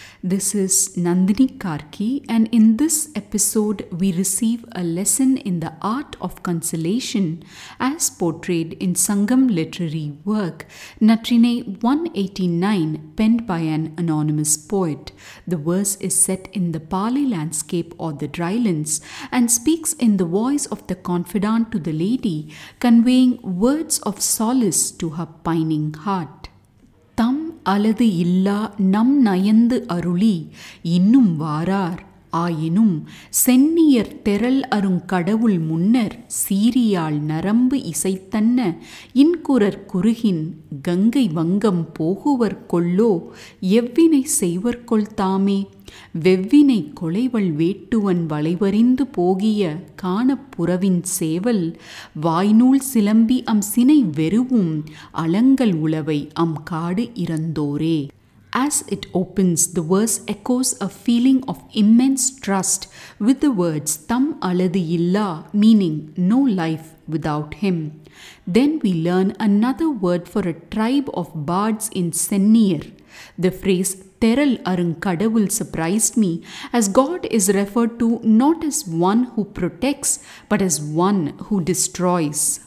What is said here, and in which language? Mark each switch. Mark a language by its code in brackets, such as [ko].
[en] This is Nandini Karki, and in this episode we receive a lesson in the art of consolation as portrayed in Sangam Literary work Natrinai 189, penned by an anonymous poet. The verse is set in the Paalai landscape or the drylands and speaks in the voice of the confidante to the lady, conveying words of solace to her pining heart. [ta] தம் அல்லது இல்லா நம் நயந்து அருளி இன்னும் வாரார் ஆயினும் சென்னியர் தெரல் அருங் கடவுள் முன்னர் சீரியாள் நரம்பு இசைத்தன்ன இன்குரர் குறுகின் கங்கை வங்கம் போகுவர் கொள்ளோ எவ்வினை செய்வர்கொள் தாமே வெவ்வினை கொலைவள் வேட்டுவன் வளைவறிந்து போகிய காணப்புறவின் சேவல் வாய்நூல் சிலம்பி அம் சினை வெறுவும் அலங்கல் உளவை அம் காடு இறந்தோரே. [en] As it opens, the verse echoes a feeling of immense trust with the words Tam Aladi Illa, meaning no life without him. Then we learn another word for a tribe of bards in Sennir. The phrase Teral Arun Kadavul surprised me, as God is referred to not as one who protects but as one who destroys.